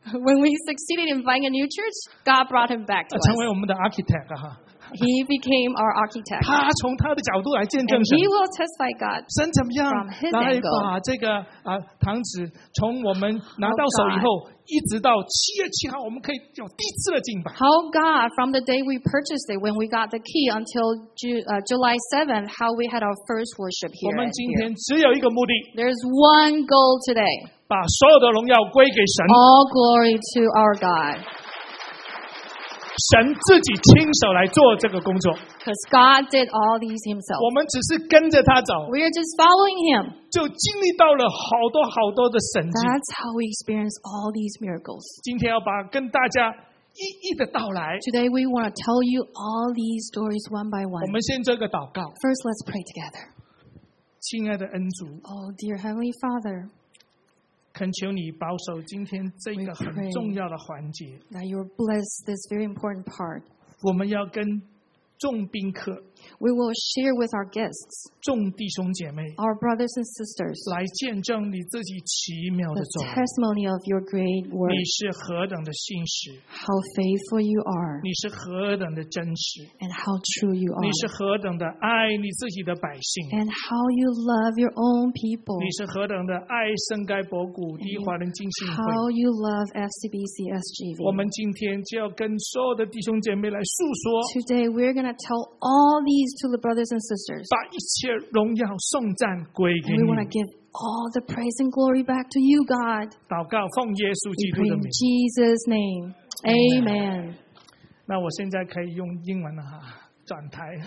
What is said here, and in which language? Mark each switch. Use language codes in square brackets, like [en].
[en] When we succeeded in buying a new church, God brought him back to us. [zh] 成为我们的 architect 哈。 [en] He became our architect. [zh] 他从他的角度来见证 [en] 神。And he will testify God. [zh] 神怎么样来把这个堂子从我们拿到手以后， oh、一直到七月七号，我们可以有第一次的敬拜。 [en] How God from the day we purchased it when we got the key until July 7th, how we had our first worship here. [zh] 我们今天只有一个目的。 [en] There's one goal today. [zh] 把所有的荣耀归给神。 [en] All glory to our God. [zh] 神自己亲手来做这个工作。 [en] Because God did all these himself. [zh] 我们只是跟着他走。 [en] We are just following him. [zh] 就经历到了好多好多的神迹。 [en] That's how we experience all these miracles. [zh] 今天要把跟大家一一的道来。 [en] Today we want to tell you all these stories one by one. [zh] 我们先做个祷告。 [en] First, let's pray together. [zh] 亲爱的恩主。 [en] Oh, dear Heavenly Father. [zh] 恳求你保守今天这个很重要的环节。 [en] That you bless this very important part. [zh] 我们要跟众宾客。 [en] We will share with our guests. [zh] 众弟兄姐妹。 [en] Our brothers and sisters. [zh] 来见证你自己奇妙的作为。 [en] The testimony of your great work. [zh] 你是何等的信实。 [en] How faithful you are. [zh] 你是何等的真实。 [en] And how true you are. [zh] 你是何等的爱你自己的百姓。 [en] And how you love your own people. [zh] 你是何等的爱圣该博古第一华人浸信会。 [en] How you love FCBC SGV. [zh] 我们今天就要跟所有的弟兄姐妹来诉说。 [en] Today we're going to tell all these to the brothers and sisters. [zh] 把一切荣耀颂赞归给你。 [en] We want to give all the praise and glory back to you, God. [zh] 祷告奉耶稣基督的名。 [en] In Jesus' name, Amen. [zh] 那我现在可以用英文了哈，转台。